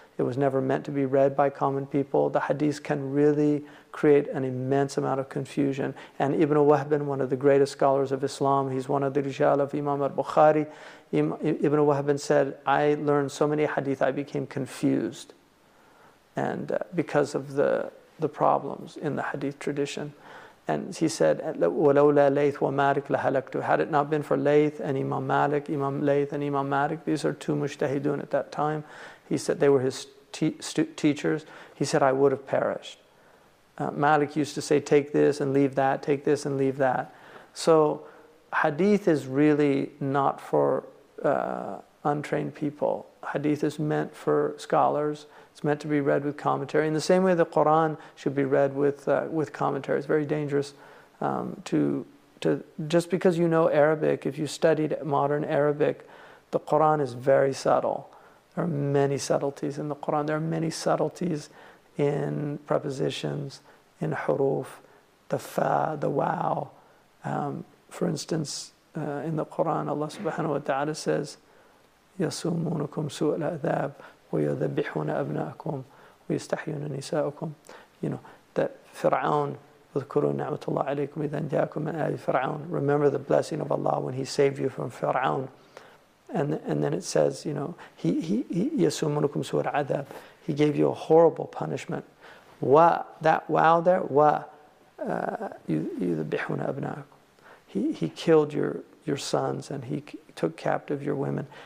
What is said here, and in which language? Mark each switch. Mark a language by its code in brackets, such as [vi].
[en] It was never meant to be read by common people. The hadith can really create an immense amount of confusion. And Ibn Wahb, one of the greatest scholars of Islam, he's one of the rijal of Imam al-Bukhari. Ibn Wahb said, I learned so many hadith, I became confused. And because of the problems in the hadith tradition. And he said, [ar] وَلَوْلَا لَيْثُ وَمَالِكُ لَهَلَكْتُ. [en] Had it not been for Layth and Imam Malik, Imam Layth and Imam Malik, these are two mujtahidun at that time. He said they were his teachers. He said, I would have perished. Malik used to say, take this and leave that, take this and leave that. So hadith is really not for untrained people. Hadith is meant for scholars. It's meant to be read with commentary. In the same way the Quran should be read with commentary. It's very dangerous to just because you know Arabic, if you studied modern Arabic, the Quran is very subtle. There are many subtleties in the Quran. There are many subtleties in prepositions, in huruf, the fa, the wow. For instance, in the Quran, Allah subhanahu wa ta'ala says, [ar] يَسُومُونَكُمْ سُوءَ الْأَذَابِ وَيَذَبِّحُونَ أَبْنَاءَكُمْ وَيَسْتَحْيُونَ نِسَاءَكُمْ. [en] You know, that Fir'aun, [ar] وَذْكُرُوا نِعْمَةَ اللَّهِ عَلَيْكُمْ إِذَا نْجَاكُمْ مِنْ آلِ فِرْعَوْنَ. [en] Remember the blessing of Allah when He saved you from Fir'aun. And then it says, you know, [ar] يَسُومُونَكُمْ سُوءَ الْعَذَابِ. [en] He gave you a horrible punishment. Wa, that wow there, wa, [ar] يُذَبِّحُونَ أَبْنَاءَكُمْ. [en] He killed your sons and he took captive your women.